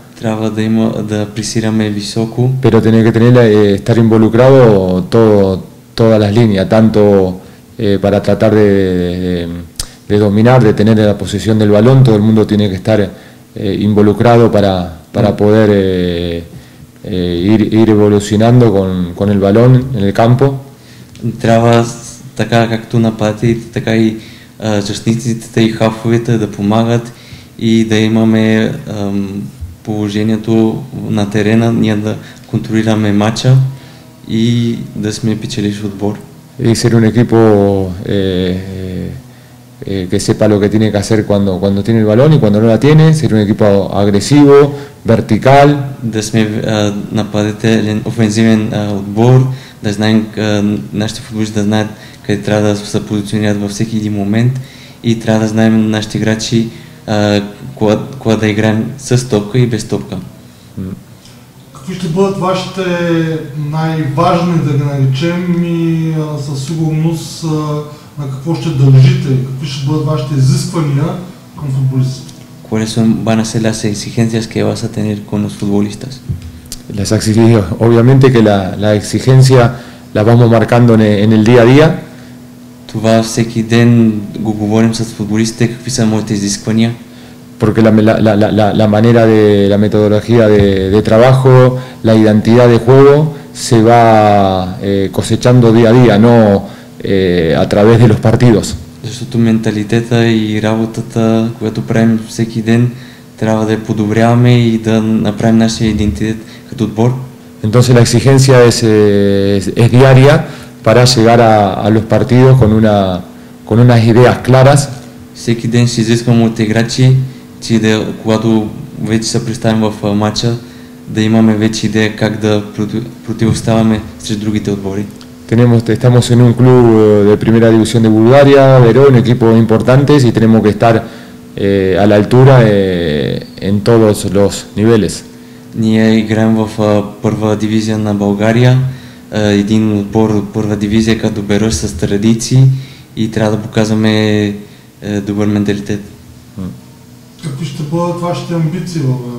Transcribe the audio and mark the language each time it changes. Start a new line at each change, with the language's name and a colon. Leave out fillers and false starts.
Bulgarian: Трябва да пресираме високо.
Spanish: Pero tiene que tener estar involucrado todas las líneas, tanto para tratar de dominar, de tener la posición del balón, todo el mundo tiene que estar involucrado para poder ir evolucionando con el balón en el campo.
Bulgarian: Трябва така както нападите, така и защитниците и хафовете да помагат и да имаме положението на терена, ние да контролираме мача и да сме печеливши отбор.
Spanish: И ser un equipo que sepa lo que tiene que hacer cuando tiene el balón y cuando no la tiene, ser un equipo agresivo, vertical.
Bulgarian: Да сме нападателен, офензивен отбор. Да знаем, нашите футболисти да знаят къде трябва да се позиционират във всеки един момент и трябва да знаем нашите играчи кога да играем с топка и без топка. Какви ще бъдат вашите най-важни, да ги наречем, и със сигурност на какво ще държите? Какви ще бъдат вашите изисквания към футболистите?
Spanish: ¿Cuáles son, van a ser las exigencias que vas a tener con los futbolistas? Las exigencias, obviamente que la exigencia la vamos marcando en el día a día. Tú vas a seguir den gugubones a los futbolistas que pisan muertes de Hispania. Porque la manera de la metodología de trabajo, la identidad de juego, se va cosechando día a día, no a través de los partidos.
Bulgarian: Защото менталитета и работата, която правим всеки ден, трябва да я подобряваме и да направим нашия идентитет като отбор.
Spanish: Entonces la exigencia es diaria para llegar a los partidos con unas ideas claras.
Bulgarian: Всеки ден си изискам от играчи, че да, когато вече се представим в матча, да имаме вече идея как да противоставаме срещу другите отбори.
Spanish: Estamos en un club de primera división de Bulgaria, Verón, equipos importantes y tenemos que estar a la altura en todos los niveles.
Bulgarian: Ние играем в първа дивизия на България, един отбор от първа дивизия, като Берош, с традиции и трябва да показваме добър менталитет. Какви ще бъдат вашите амбиции във